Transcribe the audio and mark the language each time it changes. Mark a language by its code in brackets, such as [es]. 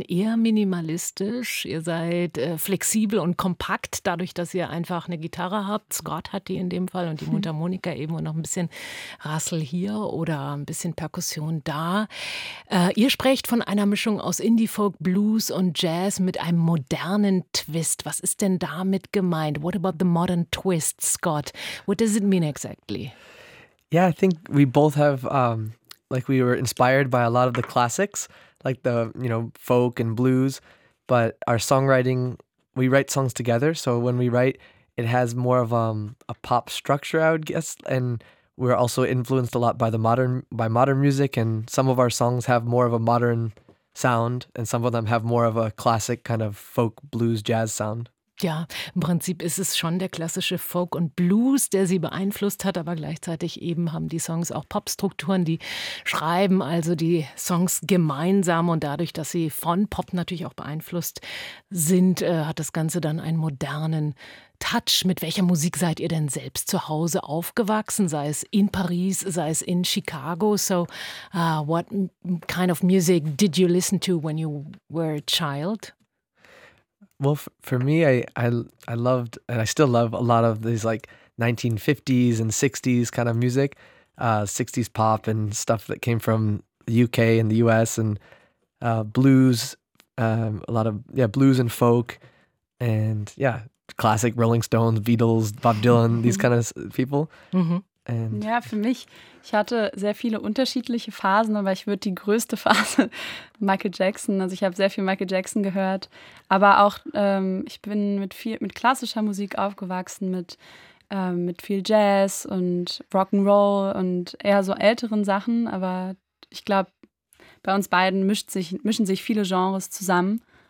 [de] Eher minimalistisch. Ihr seid flexibel und kompakt, dadurch, dass ihr einfach eine Gitarre habt. Scott hat die in dem Fall und die Mundharmonika eben und noch ein bisschen Rassel hier oder ein bisschen Perkussion da. Ihr sprecht von einer Mischung aus Indie-Folk, Blues und Jazz mit einem modernen Twist. Was ist denn damit gemeint? [en] What about the modern twist, Scott? What does it mean exactly? Yeah, I think we both have, like, we were inspired by a lot of the classics, like the, you know, folk and blues, but our songwriting, we write songs together, so when we write, it has more of a pop structure, I would guess. And we're also influenced a lot by modern music. And some of our songs have more of a modern sound, and some of them have more of a classic kind of folk blues jazz sound. [de] Ja, im Prinzip ist es schon der klassische Folk und Blues, der sie beeinflusst hat, aber gleichzeitig eben haben die Songs auch Popstrukturen, die schreiben also die Songs gemeinsam und dadurch, dass sie von Pop natürlich auch beeinflusst sind, hat das Ganze dann einen modernen Touch. Mit welcher Musik seid ihr denn selbst zu Hause aufgewachsen, sei es in Paris, sei es in Chicago? [en] So, what kind of music did you listen to when you were a child? Well, for me, I loved, and I still love a lot of these like 1950s and 60s kind of music, 60s pop and stuff that came from the UK and the US, and blues, blues and folk, and yeah, classic Rolling Stones, Beatles, Bob Dylan, these kind of people. Mm-hmm. [de] And ja, für mich, ich hatte sehr viele unterschiedliche Phasen, aber ich würde die größte Phase Michael Jackson, also ich habe sehr viel Michael Jackson gehört, aber auch ich bin mit klassischer Musik aufgewachsen, mit viel Jazz und Rock'n'Roll und eher so älteren Sachen, aber ich glaube, bei uns beiden mischen sich viele Genres zusammen.